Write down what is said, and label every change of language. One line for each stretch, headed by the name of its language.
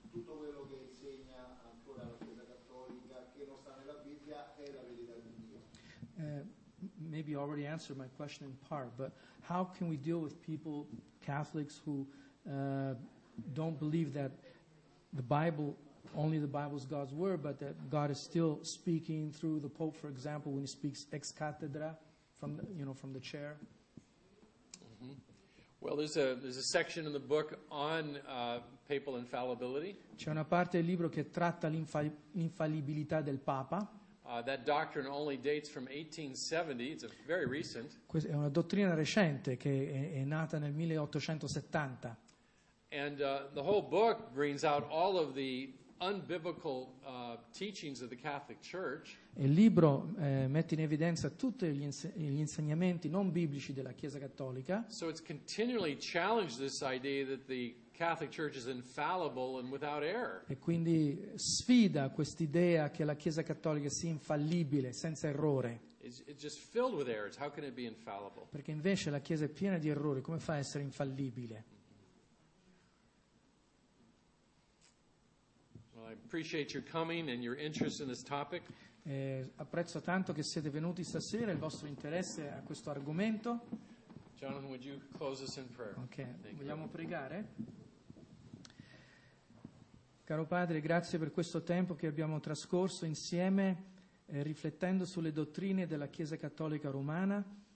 Italian: Quello che insegna ancora la Chiesa Cattolica, che non sta nella Bibbia, è la verità di Dio.
English: maybe already answered my question in part, but how can we deal with people, Catholics, who don't believe that the Bible, only the Bible is God's word, but that God is still speaking through the Pope, for example, when he speaks ex cathedra, from the chair? Mm-hmm. Well, there's a section in the book on papal infallibility.
Italian: C'è una parte del libro che tratta l'infallibilità del Papa.
English: That doctrine only dates from 1870. It's a very recent.
Italian: È una dottrina recente che è nata nel 1870.
English: And the whole book brings out all of the unbiblical teachings of the Catholic Church.
Italian: Il libro mette in evidenza tutti gli insegnamenti non biblici della Chiesa Cattolica.
English: So it's continually challenged this idea that the Catholic Church is infallible and without error.
Italian: E quindi sfida quest'idea che la Chiesa Cattolica sia infallibile, senza errore.
English: It's just filled with errors. How can it be infallible?
Italian: Perché invece la Chiesa è piena di errori, come fa a essere infallibile?
English: Well, I appreciate your coming and your interest in this topic.
Italian: Apprezzo tanto che siete venuti stasera e il vostro interesse a questo argomento.
English: Jonathan, would you close us in prayer?
Italian: Okay. Vogliamo pregare? Caro Padre, grazie per questo tempo che abbiamo trascorso insieme riflettendo sulle dottrine della Chiesa Cattolica Romana.